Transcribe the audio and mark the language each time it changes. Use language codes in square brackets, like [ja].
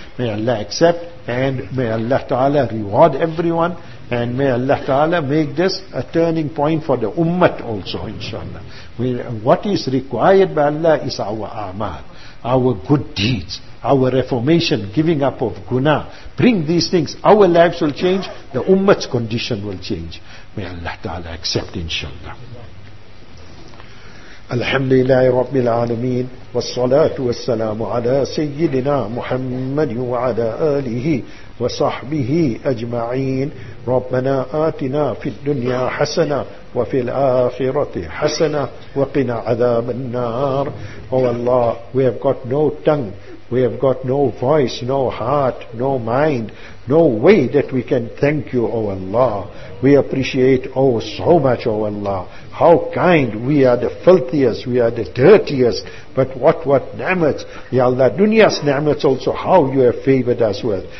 [en] May Allah accept, and may Allah Ta'ala reward everyone, and may Allah Ta'ala make this a turning point for the ummah also, inshallah. What is required by Allah is our amal, our good deeds, our reformation, giving up of guna. Bring these things, our lives will change, the ummah's condition will change. May Allah Ta'ala accept, inshallah. [ar] الحمد لله رب العالمين والصلاة والسلام على سيدنا محمد وعلى آله وصحبه أجمعين ربنا آتنا في الدنيا حسنة وفي الآخرة حسنة وقنا عذاب النار. [en] Oh Allah, we have got no tongue We have got no voice, no heart, no mind, no way that we can thank you, O Allah. We appreciate, oh, so much, O Allah. How kind. We are the filthiest, we are the dirtiest. But what ni'mat. Ya Allah, dunya's ni'mat also, how you have favored us with.